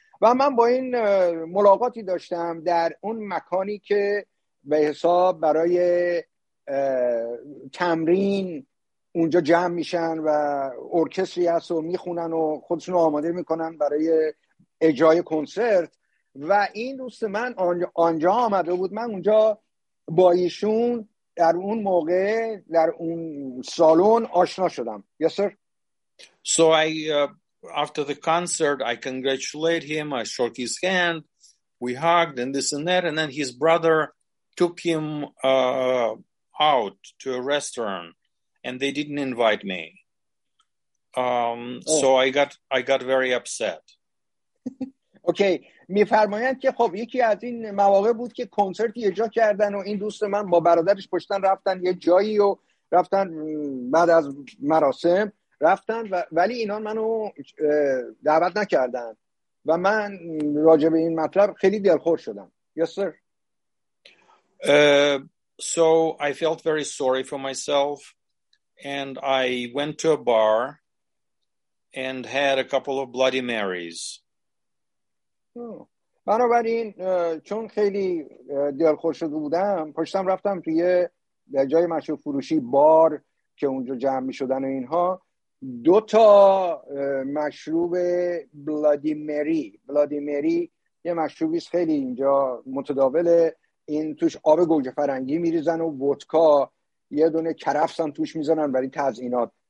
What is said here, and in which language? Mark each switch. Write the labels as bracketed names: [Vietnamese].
[Persian] و من با این ملاقاتی داشتم در اون مکانی که به حساب برای تمرین اونجا جمع میشن و ارکستری هست و میخونن و خودشون رو آماده میکنن برای اجرای کنسرت. و این دوست من آنجا آمده بود. من اونجا با ایشون در اون موقع در اون سالون آشنا شدم. [English] Yes, sir. So after the concert I congratulate him, I shook his hand, we hugged and this and that, and then his brother took him out to a restaurant and they didn't invite me. So I got very upset. Okay. [Persian] میفرمایند که خب یکی از این مواقع بود که کنسرتی اجرا کردن و این دوست من با برادرش پشتن رفتن یه جایی و رفتن بعد از مراسم رفتن و ولی اینا منو دعوت نکردن و من راجع به این مطلب خیلی دلخور شدم. [English] Yes sir. So I felt very sorry for myself and I went to a bar and had a couple of Bloody Marys. [Persian] بنابراین چون خیلی دلخور شده بودم پشتم رفتم توی جای مشروب فروشی بار که اونجا جمع می شدن و اینها دو تا مشروب بلادی مری. بلادی مری یه مشروبی است خیلی اینجا متداوله، این توش آب گوجه فرنگی می ریزن و ودکا یه دونه کرفس هم توش می زنن برای تزیینات.